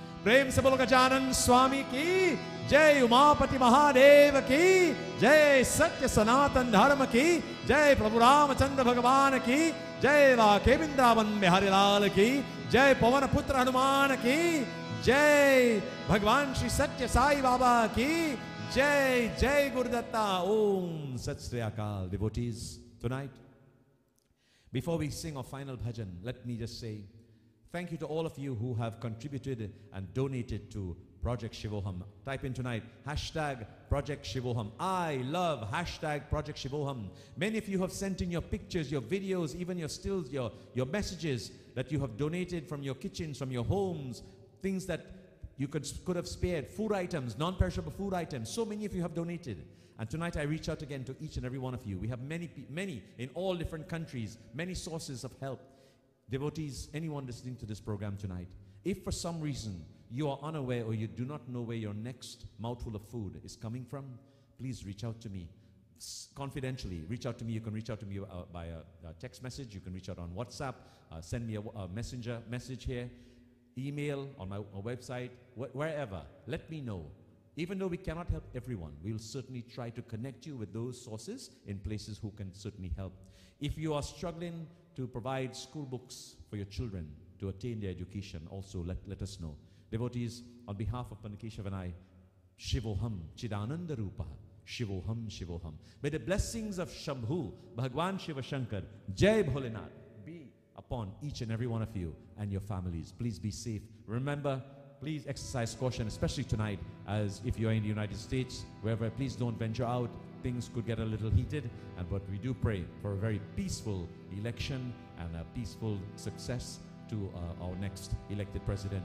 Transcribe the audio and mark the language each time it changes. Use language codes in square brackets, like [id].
[hi] प्रेम से बोलो गजानन स्वामी की जय उमापति महादेव की जय सत्य सनातन धर्म की जय प्रभु रामचंद्र भगवान की जय वाके वृंदावन बिहारीलाल की जय पवन पुत्र हनुमान की जय भगवान श्री सत्य साई बाबा की जय जय गुरुदत्ता ओम सत श्री अकाल [en] Devotees tonight before we sing our final bhajan let me just say Thank you to all of you who have contributed and donated to Project Shivoham. Type in tonight, hashtag Project Shivoham. I love hashtag Project Shivoham. Many of you have sent in your pictures, your videos, even your stills, your messages that you have donated from your kitchens, from your homes, things that you could have spared, food items, non-perishable food items. So many of you have donated. And tonight I reach out again to each and every one of you. We have many in all different countries, many sources of help. Devotees, anyone listening to this program tonight, if for some reason you are unaware or you do not know where your next mouthful of food is coming from, please reach out to me confidentially. Reach out to me. You can reach out to me by a text message. You can reach out on WhatsApp. Send me a messenger message here. Email on my website. Wherever. Let me know. Even though we cannot help everyone, we will certainly try to connect you with those sources in places who can certainly help. If you are struggling to provide school books for your children to attain their education, also let us know. Devotees, on behalf of Panakeshav and I, [sa] Shivoham, Chidananda Rupa, Shivoham, Shivoham. [en] May the blessings of Shambhu, Bhagwan Shiva Shankar, Jai Bholenath, be upon each and every one of you and your families. Please be safe. Remember, please exercise caution, especially tonight, as if you're in the United States, wherever, please don't venture out. Things could get a little heated, but we do pray for a very peaceful election and a peaceful success to our next elected president.